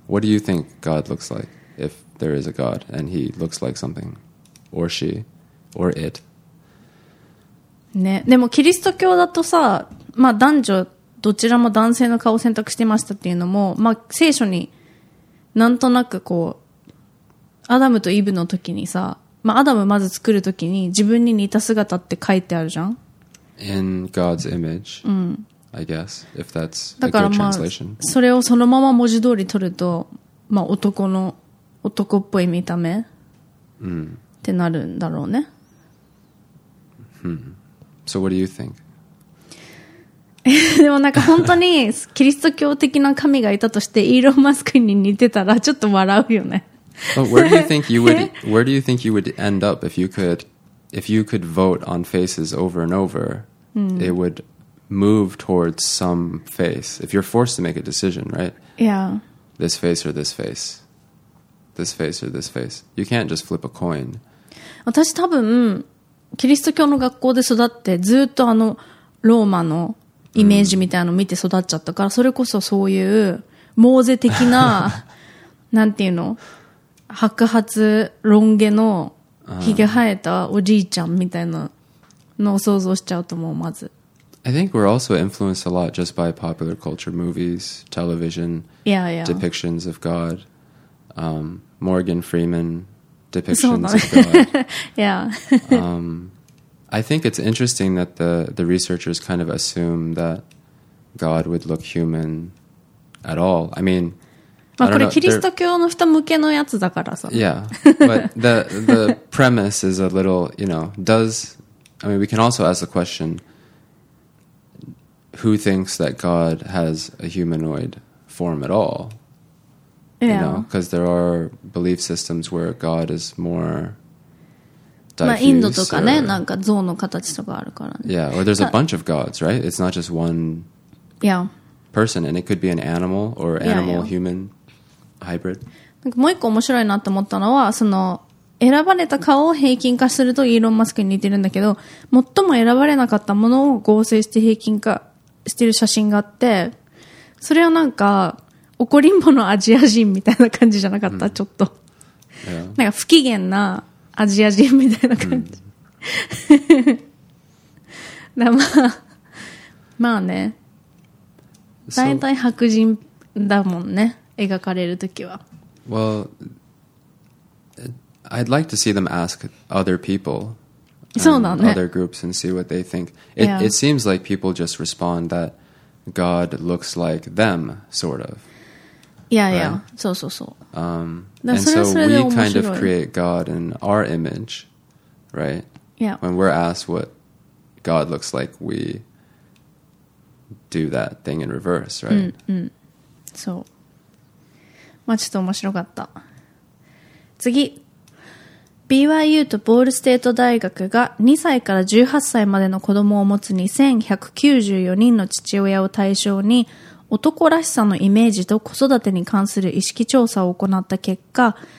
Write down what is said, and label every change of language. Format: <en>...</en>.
<en>What do you think God looks like if there is a God and he looks like something? Or she? Or it?</en> <ja>ね、でもキリスト教だとさ、まあ男女どちらも男性の顔を選択してましたっていうのも、まあ聖書になんとなくこうアダムとイブの時にさ、まあアダムまず作る時に自分に似た姿って書いてあるじゃん。</ja> <en>In God's image.</en> <ja>うん。</ja> <en>I guess if that's a good translation.</en> <ja>だからまあそれをそのまま文字通り取ると、まあ男の男っぽい見た目、うん、ってなるんだろうね。うん。</ja> <en>So what do you think?</en> <ja>でもなんか本当にキリスト教的な神がいたとしてイーロン・マスクに似てたらちょっと笑うよね。</ja> <en>But where do you think you would where do you think you would end up if you could vote on faces over and over? It would move towards some face. If you're forced to make a decision, right? Yeah. This face or this face. This face or this face. You can't just flip a coin.</en> <ja>私多分。キリスト教の学校で育ってずっとあのローマのイメージみたいなの見て育っちゃったから、うん、それこそそういうモーゼ的ななんていうの、白髪ロン毛のひげ生えたおじいちゃんみたいなのを想像しちゃうと思う。まず</ja> <en>I think we're also influenced a lot just by popular culture, movies, television, yeah, yeah. depictions of God, Morgan Freeman. Depictions of God. yeah. I think it's interesting that the researchers kind of assume that God would look human at all. I mean,</en> <ja>まあこれキリスト教の人向けのやつだからさ。</ja> <en>Yeah. But the premise is a little, you know, does, I mean, we can also ask the question, who thinks that God has a humanoid form at all? Yeah. You know, because there are belief systems where God is more diffuse.</en> <ja>まあインドとかね、なんか象の形とかあるからね。</ja> <en>Yeah, or there's a bunch of gods, right? It's not just one person, and it could be an animal or animal-human hybrid.</en> <ja>なんかもう一個面白いなと思ったのは、その選ばれた顔を平均化するとイーロン・マスクに似てるんだけど、最も選ばれなかったものを合成して平均化してる写真があって、それはなんか、怒りんぼのアジア人みたいな感じじゃなかった、うん、ちょっと、</ja> <en>yeah.</en> <ja>なんか不機嫌なアジア人みたいな感じ、うん、だまあまあね、大体白人だもんね、描かれるときは。</ja> <en>Well, I'd like to see them ask other people and other groups and see what they think. It,、 yeah. it seems like people just respond that God looks like them, sort of. Yeah, yeah.、Right?</en> <ja>そうそうそう。</ja> <en>And so we kind of create God in our image, right? Yeah. When we're asked what God looks like, we do that thing in reverse, right?</en> <ja>うんうん。そう。まあちょっと面白かった。次。BYU とボールステート大学が2歳から18歳までの子供を持つ2194人の父親を対象に、男らしさのイメージと子育てに関する意識調査を行った結果、</ja>